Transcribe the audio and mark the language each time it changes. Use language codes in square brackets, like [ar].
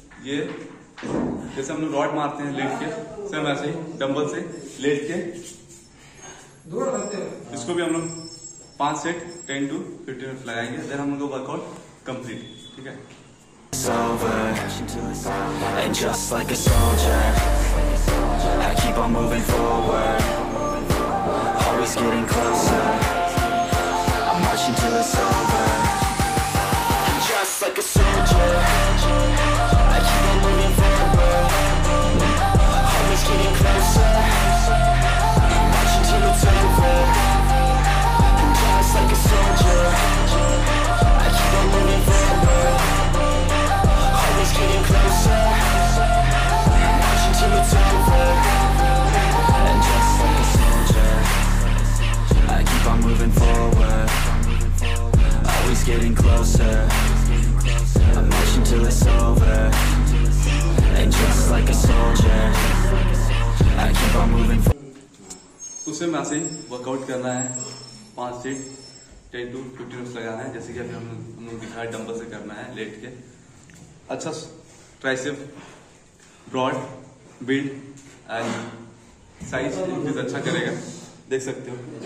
[hi] Ye जैसे हम लोग रॉड मारते हैं लेट के, सेम ऐसे ही डंबल से लेट के दूर करते हैं। इसको भी हम लोग 5 सेट 10 to 15 मिनट लगाएंगे, देन हम लोग वर्कआउट कंप्लीट, ठीक है? [en] And just like a soldier, I keep on moving forward, always getting closer, I'm marching till it's over. Getting closer. it's getting closer. I march until it's over. And just like a soldier, I keep on moving forward. [hi] उसे मैं ऐसे workout करना है, 5 set [en] 10 to 15 reps [hi] लगाना है, जैसे कि अभी हम दिखाए डंबल से करना है लेट के. अच्छा, [en] tricep broad build and size increase [hi] अच्छा करेगा, देख सकते हो.